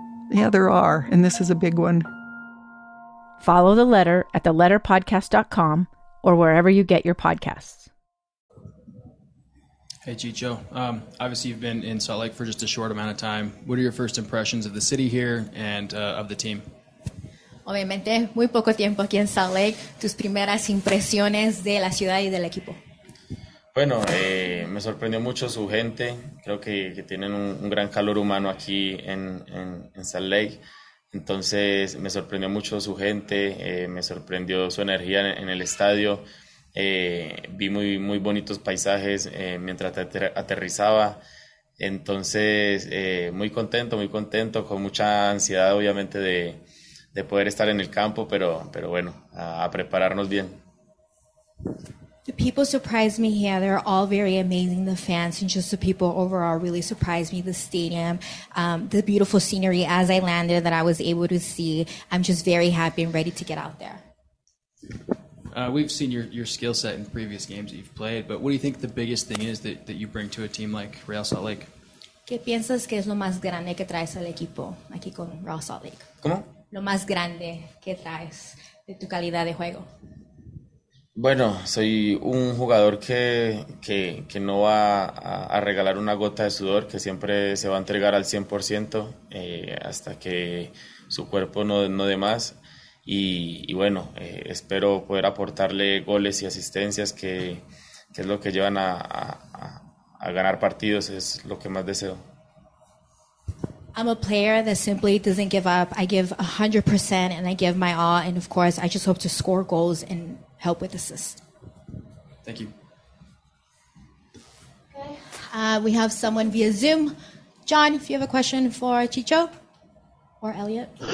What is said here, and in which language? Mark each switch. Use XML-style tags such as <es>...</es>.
<en>Yeah, there are, and this is a big one. Follow The Letter at theletterpodcast.com or wherever you get your podcasts. Hey, Chicho. Obviously, you've been in Salt Lake for just a short amount of time. What are your first impressions of the city here and of the team?</en> <es>Obviamente, muy poco tiempo aquí en Salt Lake. Tus primeras impresiones de la ciudad y del equipo. Bueno, me sorprendió mucho su gente. Creo que tienen un gran calor humano aquí en Salt Lake. Entonces, me sorprendió mucho su gente. Me sorprendió su energía en el estadio. Vi muy, muy bonitos paisajes mientras aterrizaba. Entonces, muy contento, con mucha ansiedad, obviamente, de poder estar en el campo, pero bueno, a prepararnos bien.</es> <en>The people surprised me here. They're all very amazing. The fans and just the people overall really surprised me. The stadium, the beautiful scenery as I landed that I was able to see. I'm just very happy and ready to get out there. We've seen your skill set in previous games that you've played, but what do you think the biggest thing is that you bring to a team like Real Salt Lake?</en> <es>¿Qué piensas que es lo más grande que traes al equipo aquí con Real Salt Lake? ¿Cómo? Lo más grande que traes de tu calidad de juego. Bueno, soy un jugador que no va a regalar una gota de sudor, que siempre se va a entregar al 100% hasta que su cuerpo no dé más. Y bueno, espero poder aportarle goles y asistencias, que es lo que llevan a ganar partidos, es lo que más deseo.</es> <en>I'm a player that simply doesn't give up. I give 100% and I give my all. And of course, I just hope to score goals and help with assists. Thank you. Okay. We have someone via Zoom. John, if you have a question for Chicho or Elliot.</en>